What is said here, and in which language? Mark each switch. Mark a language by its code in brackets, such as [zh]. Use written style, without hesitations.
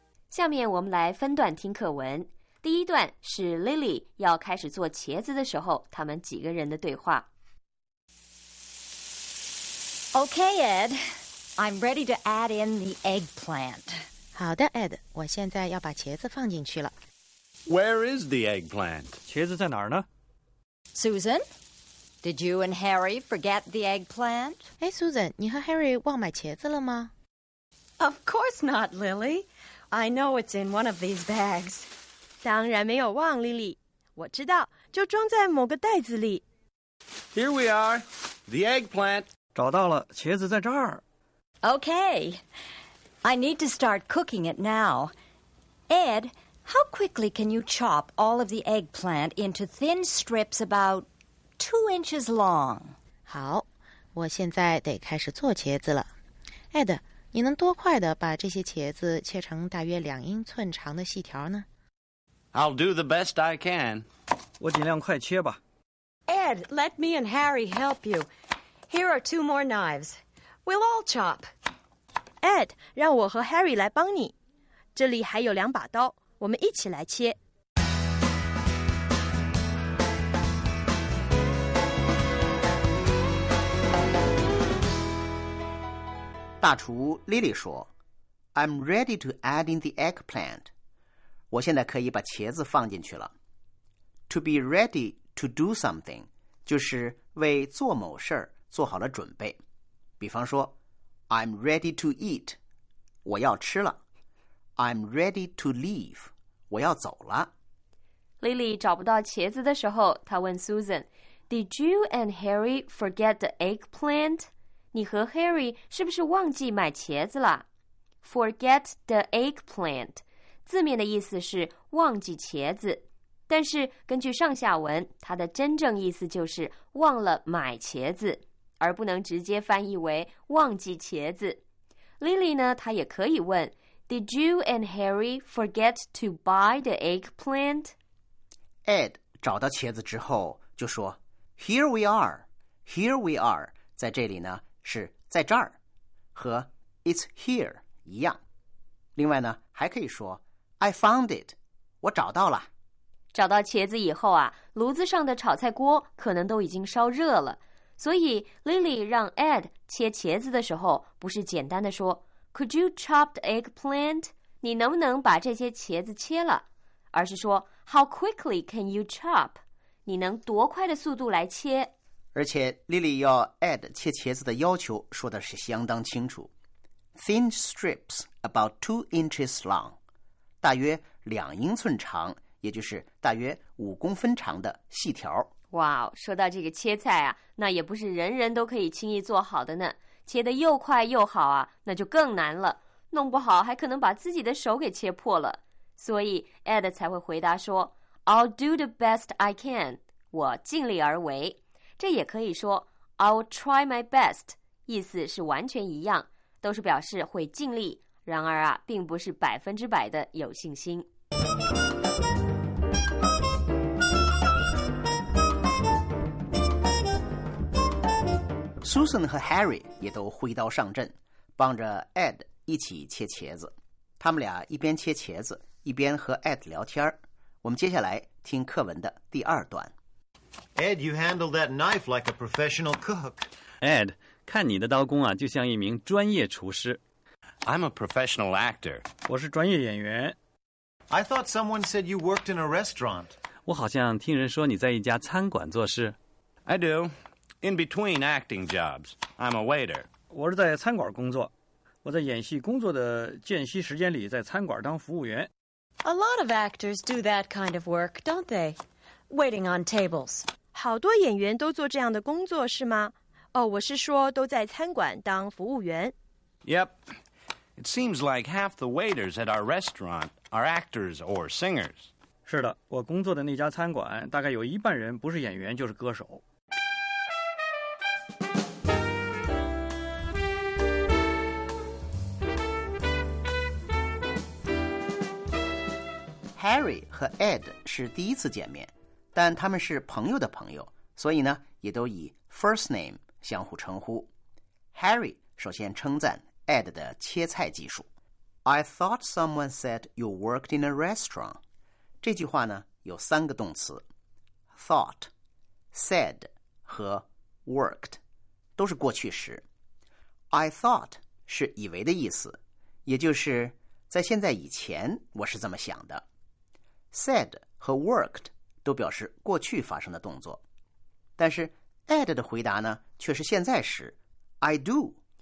[zh] 下面我们来分段听课文。第一段是 Lily 要开始做茄子的时候，他们几个人的对话。 [en] Okay, Ed. I'm ready to add in the eggplant. [zh] 好的 ，Ed， 我现在要把茄子放进去了。 [en] Where is the eggplant? [zh] 茄子在哪儿呢 [en] ？Susan, did you and Harry forget the eggplant? [zh] 哎 ，Susan， 你和 Harry 忘买茄子了吗 [en] ？Of course not, Lily. I know it's in one of these bags. [zh] 当然没有忘 ，Lily。我知道，就装在某个袋子里。 [en] Here we are, the eggplant. [zh] 找到了，茄子在这儿。 [en] Okay, I need to start cooking it now. Ed, how quickly can you chop all of the eggplant into thin strips about 2 inches long? [zh] 好，我现在得开始做茄子了。 Ed, 你能多快地把这些茄子切成大约2英寸长的细条呢？ [en] I'll do the best I can. [zh] 我尽量快切吧。 [en] Ed, let me and Harry help you. Here are 2 more knives. We'll all chop. [zh] Ed, 让我和 Harry 来帮你。这里还有两把刀，我们一起来切。大厨 Lily 说 [en] I'm ready to add in the eggplant. [zh] 我现在可以把茄子放进去了。 [en] To be ready to do something [zh] 就是为做某事做好了准备。比方说 [en] I'm ready to eat [zh] 我要吃了。 [en] I'm ready to leave [zh] 我要走了。 Lily 找不到茄子的时候她问 Susan [en] Did you and Harry forget the eggplant? [zh] 你和 Harry 是不是忘记买茄子了 [en] Forget the eggplant [zh] 字面的意思是忘记茄子，但是根据上下文，它的真正意思就是忘了买茄子，而不能直接翻译为忘记茄子。 Lily 呢，她也可以问 [en] ：Did you and Harry forget to buy the eggplant? [zh] Ed 找到茄子之后就说 [en] ：“Here we are, here we are。” [zh] 在这里呢，是在这儿，和 [en] "It's here" [zh] 一样。另外呢，还可以说。 [en] I found it. [zh] 我找到了。找到茄子以后啊，炉子上的炒菜锅可能都已经烧热了。所以 Lily 让 Ed 切茄子的时候，不是简单的说 [en] Could you chop the eggplant? [zh] 你能不能把这些茄子切了？而是说 [en] How quickly can you chop? [zh] 你能多快的速度来切？而且 Lily 要 Ed 切茄子的要求说的是相当清楚。 [en] Thin strips about 2 inches long. [zh] 大约2英寸长，也就是大约5公分长的细条。哇，说到这个切菜啊，那也不是人人都可以轻易做好的呢。切得又快又好啊，那就更难了，弄不好还可能把自己的手给切破了。所以 Ed 才会回答说 [en] I'll do the best I can， [zh] 我尽力而为。这也可以说 [en] I'll try my best， [zh] 意思是完全一样，都是表示会尽力。然而啊，并不是100%的有信心。 Susan 和 Harry 也都挥刀上阵，帮着 Ed 一起切茄子。他们俩一边切茄子，一边和 Ed 聊天。我们接下来听课文的第二段。 [en] Ed, you handle that knife like a professional cook. [zh] Ed, 看你的刀工啊，就像一名专业厨师。 [en] I'm a professional actor. [zh] 我是专业演员。 [en] I thought someone said you worked in a restaurant. [zh] 我好像听人说你在一家餐馆做事。 [en] I do. In between acting jobs, I'm a waiter. [zh] 我是在餐馆工作。我在演戏工作的间隙时间里在餐馆当服务员。 [en] A lot of actors do that kind of work, don't they? Waiting on tables. [zh] 好多演员都做这样的工作，是吗？哦，我是说都在餐馆当服务员。 [en] Yep. It seems like half the waiters at our restaurant are actors or singers. [zh] 是的，我工作的那家餐馆大概有一半人不是演员就是歌手。 Harry 和 Ed 是第一次见面，但他们是朋友的朋友，所以呢，也都以 [en] first name [zh] 相互称呼。 Harry 首先称赞Ed 的切菜技术。 [en] I thought someone said you worked in a restaurant. [zh] 这句话呢有三个动词 thought, said 和 worked 都是过去时。 [en] I thought [zh] 是以为的意思，也就是在现在以前我是这么想的。 said 和 worked 都表示过去发生的动作，但是 Ed 的回答呢却是现在时 [en] I do，